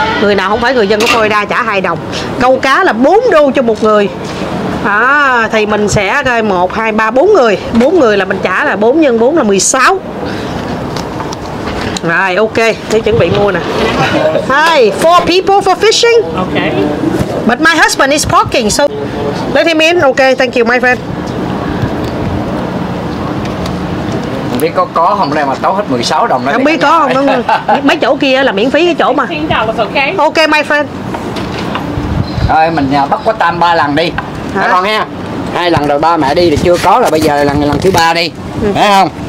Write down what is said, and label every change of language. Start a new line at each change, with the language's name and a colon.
Vietnamese: Người nào không phải người dân của Florida trả 2 đồng. Câu cá là 4 đô cho một người. Thì mình sẽ 1, 2, 3, 4 người. 4 người là mình trả là 4 x 4 là 16. Rồi, ok, thế chuẩn bị mua nè.
English: Hi, 4 people for fishing. Okay. But my husband is parking, so let him in. Okay, thank you, my friend.
Vietnamese: Không biết có không đây mà tấu hết 16 đồng đấy. Không biết có không, mấy chỗ kia là miễn phí cái chỗ mà.
English: Ok, my friend.
Vietnamese: Rồi, mình bắt quá tam 3 lần đi. Hả? Đấy con ha. 2 lần rồi ba mẹ đi thì chưa có, là bây giờ là lần thứ 3 đi. Ừ. Thấy không?